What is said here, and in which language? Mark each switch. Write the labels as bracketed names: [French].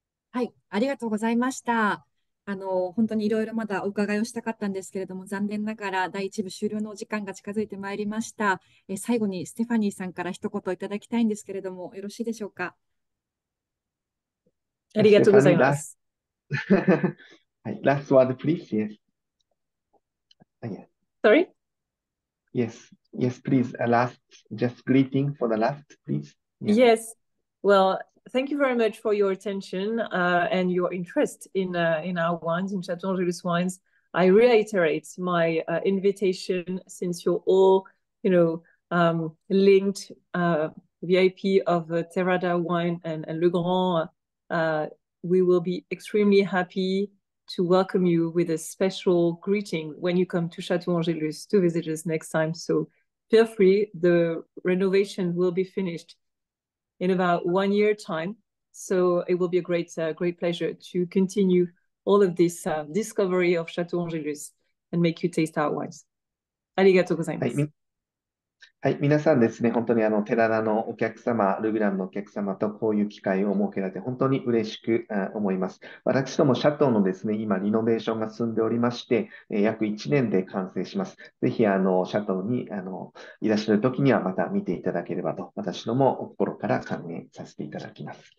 [Japanese] はい、ありがとうございました。本当にいろいろまだお伺いをしたかったんですけれども、残念ながら第一部終了の時間が近づいてまいりました。最後にステファニーさんから一言いただきたいんですけれども、よろしいでしょうか。ありがとうございます。はい、ラストワード、プリーズ。 [English] Yes. Sorry? Yes. Yes, please. A last, just greeting for the last, please. Yes. Well,thank you very much for your attention and your interest in our wines, in Chateau Angelus wines. I reiterate my invitation, since you're all, you know, linked VIP of Terrada Wine and Le Grand. We will be extremely happy to welcome you with a special greeting when you come to Chateau Angelus to visit us next time. So feel free, the renovation will be finished. In about 1 year time. So it will be a great, great pleasure to continue all of this discovery of Chateau Angelus and make you taste our wines. [Japanese] ありがとうございます。はい、皆さんですね、本当にテラダのお客様、ルグランのお客様とこういう機会を設けられて本当に嬉しく思います。私どもシャトーのですね、今リノベーションが進んでおりまして、約1年で完成します。ぜひシャトーにいらっしゃるときにはまた見ていただければと、私ども心から歓迎させていただきます。